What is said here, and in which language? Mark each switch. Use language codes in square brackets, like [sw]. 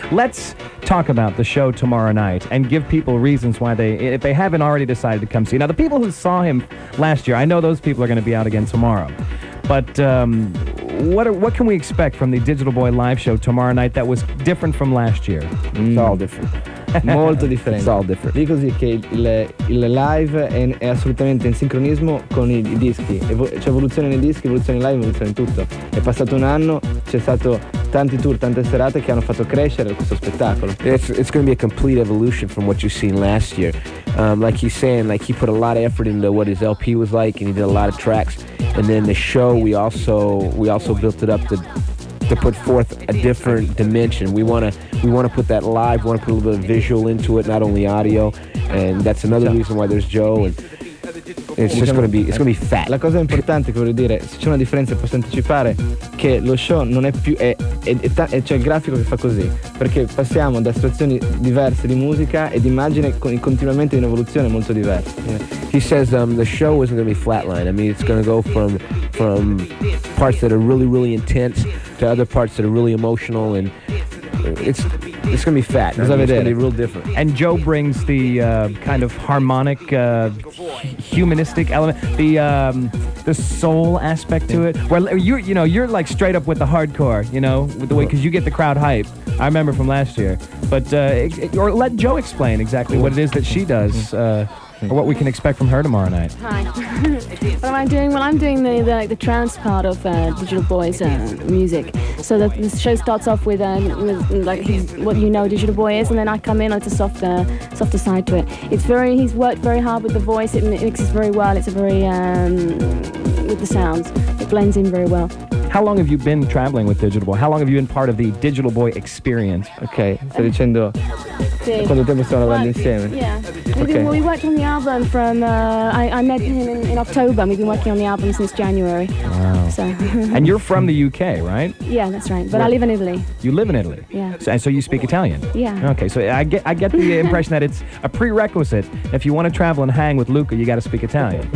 [en] Let's talk about the show tomorrow night and give people reasons why they, if they haven't already decided to come see. Now, the people who saw him last year, I know those people are going to be out again tomorrow. But what can we expect from the Digital Boy live show tomorrow night that was different from last year? Mm. It's all different. [it] Molto differente. [en] It's all different. [it] Dico così che il live è assolutamente in sincronismo con i dischi. C'è evoluzione nei dischi, evoluzione in live, evoluzione in tutto. È passato un anno, c'è stato tanti tour, tante serate che hanno fatto crescere questo spettacolo. [en] It's going to be a complete evolution from what you've seen last year. Like he's saying, like he put a lot of effort into what his LP was like, and he did a lot of tracks. And then the show, we also built it up to put forth a different dimension. We want to put that live, we want to put a little bit of visual into it, not only audio, and that's another reason why there's Joe. And it's going to be fat. [it] La cosa importante che voglio dire, se c'è una differenza posso anticipare, che lo show non è più è c'è il grafico che fa così, perché passiamo da situazioni diverse di musica e di immagine continuamente in evoluzione molto diversa. [en] He says the show isn't going to be flatline. I mean, it's going to go from parts that are really really intense to other parts that are really emotional, and it's going to be fat. It's going to be real different. And Joe brings the kind of harmonic, humanistic element, the soul aspect to it. Where you're like straight up with the hardcore, you know, with the way, because you get the crowd hype. I remember from last year. But or let Joe explain exactly what it is that she does. Or what we can expect from her tomorrow night. Hi. What am I doing? Well, I'm doing the trance part of Digital Boy's music. So the show starts off with what you know Digital Boy is, and then I come in with a softer side to it. He's worked very hard with the voice. It mixes very well. It's a very with the sounds. It blends in very well. How long have you been traveling with Digital Boy? How long have you been part of the Digital Boy experience? Okay. [it] Sto dicendo quanto tempo stiamo lavorando insieme. [en] Yeah. We worked on the album from I met him in October, and we've been working on the album since January. Wow. So. And you're from the UK, right? Yeah, that's right. But I live in Italy. You live in Italy? Yeah. So you speak Italian? Yeah. Okay, so I get the impression that it's a prerequisite. If you want to travel and hang with Luca, you got to speak Italian.